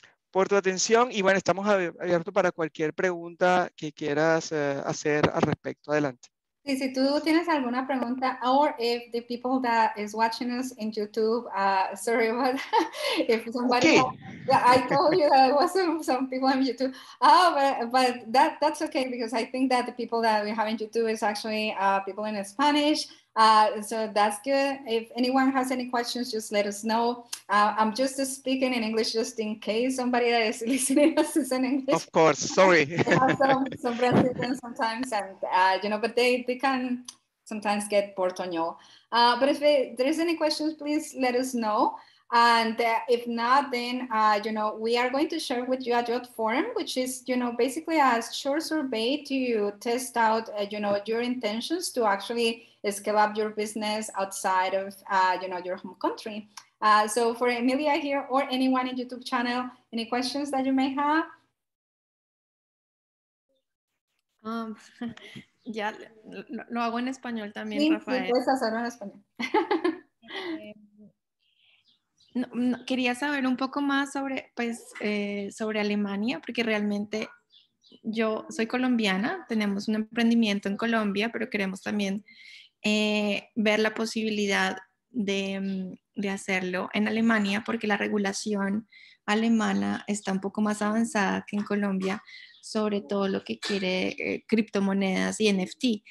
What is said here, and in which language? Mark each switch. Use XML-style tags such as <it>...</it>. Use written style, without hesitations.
<es>Por tu atención. Y bueno, estamos abiertos para cualquier pregunta que quieras hacer al respecto. Adelante. Sí, si tú tienes alguna pregunta,</es> <en>or if the people that is watching us in YouTube, sorry, but if somebody, okay. I told you that it wasn't some people in YouTube, but that's okay, because I think that the people that we have in YouTube is actually people in Spanish, so that's good. If anyone has any questions, just let us know. I'm just speaking in English, just in case somebody that is listening us is in English. Of course, sorry. some Brazilian sometimes, and you know, but they can sometimes get portoño. But if there is any questions, please let us know. And if not, then, you know, we are going to share with you a job form, which is, you know, basically a short survey to test out, you know, your intentions to actually scale up your business outside of, you know, your home country. So for Emilia here or anyone in YouTube channel, any questions that you may have?</en> <es>Ya, lo hago en español también, sí, Rafael. Sí, puedes hacerlo en español. quería saber un poco más sobre, pues, sobre Alemania, porque realmente yo soy colombiana, tenemos un emprendimiento en Colombia, pero queremos también ver la posibilidad de hacerlo en Alemania, porque la regulación alemana está un poco más avanzada que en Colombia, sobre todo lo que quiere criptomonedas y NFT.</es>